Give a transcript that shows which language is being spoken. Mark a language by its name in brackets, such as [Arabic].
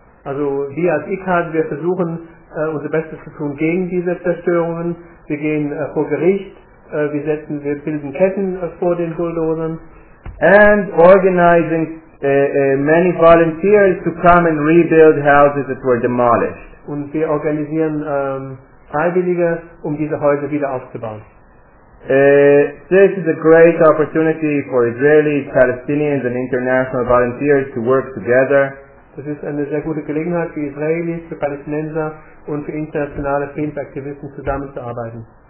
[German] Also wir als ICAD, wir versuchen unser Bestes zu tun gegen diese Zerstörungen. Wir gehen vor Gericht, wir bilden Ketten vor den Bulldozern. [English] And organizing many volunteers to come and rebuild houses that were demolished. [German] Und wir organisieren Freiwillige, um diese Häuser wieder aufzubauen. [English] This is a great opportunity for Israelis, Palestinians and international volunteers to work together. [German] Das ist eine sehr gute Gelegenheit für Israelis, für Palästinenser und für internationale Friedensaktivisten zusammenzuarbeiten.